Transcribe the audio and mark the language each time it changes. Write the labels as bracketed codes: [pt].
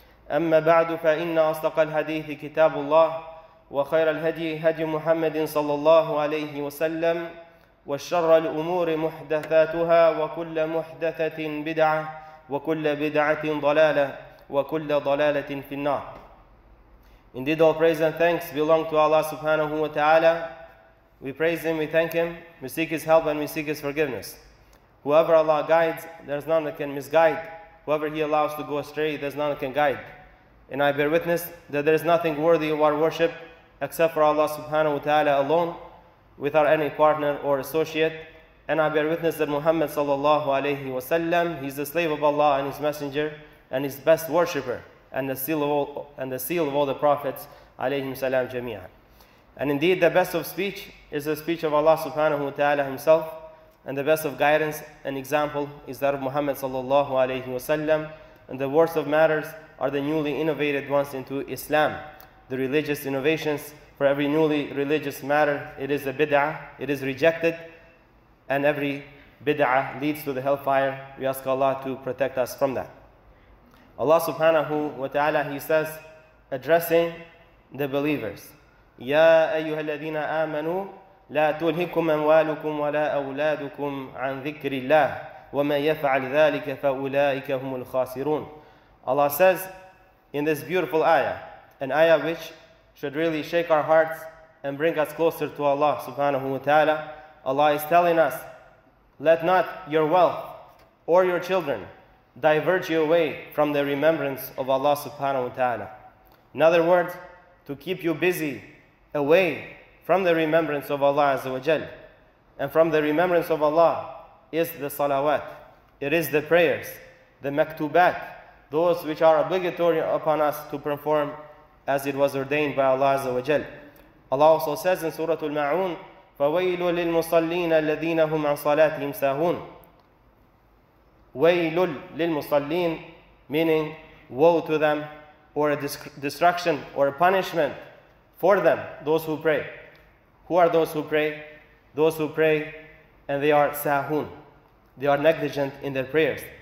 [ar] أما بعد فإن أصدق الحديث كتاب الله وخير الهدي هدي محمد صلى الله عليه وسلم وشر الأمور محدثاتها وكل محدثة بدعة وكل بدعة ضلالة وكل ضلالة في النار. [en] Indeed, all praise and thanks belong to Allah subhanahu wa ta'ala. We praise Him, we thank Him, we seek His help and we seek His forgiveness. Whoever Allah guides, there's none that can misguide. Whoever He allows to go astray, there's none that can guide. And I bear witness that there is nothing worthy of our worship except for Allah subhanahu wa ta'ala alone, without any partner or associate. And I bear witness that Muhammad sallallahu alayhi wa sallam, he's the slave of Allah and His messenger and His best worshipper. And the seal of all, and the seal of all the prophets, alayhim salam jami'an. And indeed, the best of speech is the speech of Allah subhanahu wa ta'ala himself, and the best of guidance and example is that of Muhammad sallallahu alayhi wa sallam. And the worst of matters are the newly innovated ones into Islam, the religious innovations. For every newly religious matter, it is a bid'ah, it is rejected, and every bid'ah leads to the hellfire. We ask Allah to protect us from that. Allah subhanahu wa ta'ala, He says, addressing the believers, [ar] يَا أَيُّهَا الَّذِينَ آمَنُوا لَا تُلْهِكُمْ أَمْوَالُكُمْ وَلَا أَوْلَادُكُمْ عَنْ ذِكْرِ اللَّهِ وَمَنْ يَفْعَلْ ذَٰلِكَ فَأُولَٰئِكَ هُمُ الْخَاسِرُونَ. [en] Allah says in this beautiful ayah, an ayah which should really shake our hearts and bring us closer to Allah subhanahu wa ta'ala, Allah is telling us, let not your wealth or your children divert you away from the remembrance of Allah subhanahu wa ta'ala. In other words, to keep you busy away from the remembrance of Allah azza wa jal. And from the remembrance of Allah is the salawat. It is the prayers, the maktubat, those which are obligatory upon us to perform as it was ordained by Allah azza wa jal. Allah also says in Surah Al-Ma'un, [ar] فَوَيْلُ لِلْمُصَلِّينَ الَّذِينَ هُمْ عَنْ صَلَاتِهِمْ سَاهُونَ. وَيْلُلْ لِلْمُصَلِّينَ, [en] meaning woe to them, or a destruction or a punishment for them, those who pray. Who are those who pray? Those who pray and they are sahun. They are negligent in their prayers.